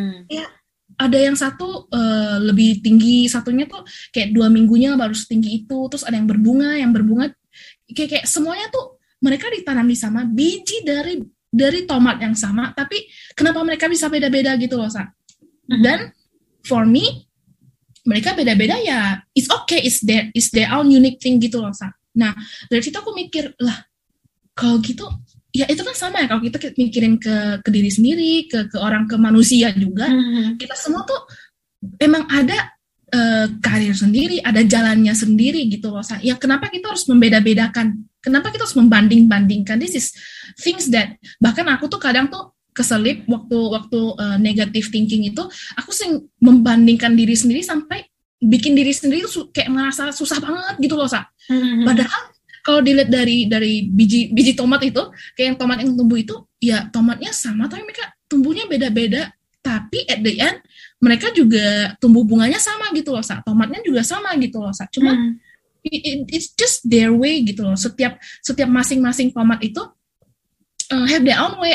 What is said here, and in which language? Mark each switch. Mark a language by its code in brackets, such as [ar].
[id] Ya, ada yang satu lebih tinggi, satunya tuh kayak 2 minggunya baru setinggi itu. Terus ada yang berbunga kayak semuanya tuh mereka ditanam di sama biji dari tomat yang sama, tapi kenapa mereka bisa beda-beda gitu loh, Sa? [en] Dan for me, [id] mereka beda-beda ya, [en] it's okay, it's their own unique thing [id] gitu loh, [en] Sa. [id] Nah, dari situ aku mikir, lah, kalau gitu, ya itu kan sama ya, kalau kita mikirin ke diri sendiri, ke orang, ke manusia juga, kita semua tuh emang ada karir sendiri, ada jalannya sendiri gitu loh, Sa. Ya kenapa kita harus membeda-bedakan? Kenapa kita harus membanding-bandingkan? [en] This is things that, [id] bahkan aku tuh kadang tuh keselip waktu [en] negative thinking [id] itu, aku sering membandingkan diri sendiri sampai bikin diri sendiri tuh kayak merasa susah banget gitu loh, Sa. Padahal kalau dilihat dari biji tomat itu, kayak yang tomat yang tumbuh itu, ya tomatnya sama tapi mereka tumbuhnya beda-beda, tapi [en] at the end [id] mereka juga tumbuh bunganya sama gitu loh, Sa. Tomatnya juga sama gitu loh, Sa. Cuma [en] it's just their way [id] gitu loh. Setiap masing-masing tomat itu [en] have their own way.